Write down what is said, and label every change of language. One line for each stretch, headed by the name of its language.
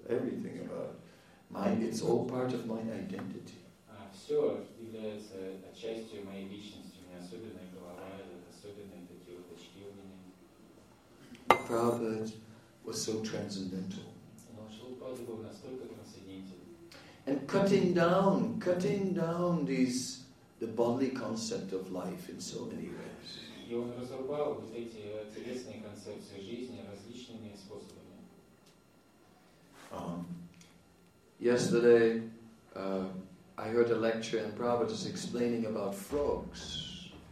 English: Everything about my, it's all part of my identity.
Russian: Все является отчасти моей личностью. У меня особенная голова, особенные такие вот очки у меня.
English: Prabhupada was so transcendental.
Russian: Но Шрупада был настолько трансцендентен.
English: And cutting down the bodily concept of life in so many ways.
Russian: И он разрубал вот эти телесные концепции жизни различными способами.
English: Yesterday. I heard a lecture and Prabhupada is explaining about frogs.